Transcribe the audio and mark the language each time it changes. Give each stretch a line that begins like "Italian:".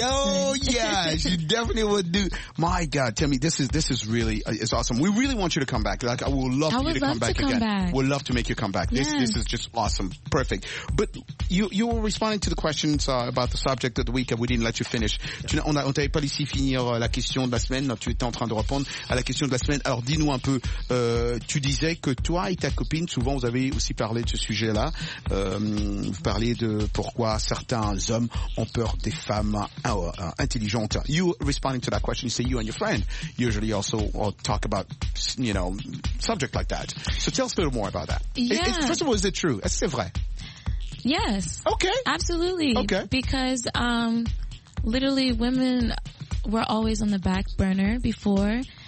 English: Oh, yeah, you definitely would do. My God, tell me, this is really, it's awesome. We really want you to come back. Like, I would love to come back again. We'd love to make you come back. Yes. This is just awesome. Perfect. But you were responding to the questions about the subject of the week, and we didn't let you finish. Yeah.
French: On t'avait pas laissé finir la question de la semaine. Non, tu étais en train de répondre à la question de la semaine. Alors, dis-nous un peu, tu disais que toi, et ta copine, souvent vous avez aussi parlé de ce sujet-là, vous parlez de pourquoi certains hommes ont peur des femmes intelligentes.
English: You responding to that question, you say you and your friend usually also talk about, you know, subject like that. So tell us a little more about that. Yeah. First of all, is it true?
French: Est-ce que c'est vrai?
English: Yes. Okay. Absolutely. Okay. Because literally women were always on the back burner before.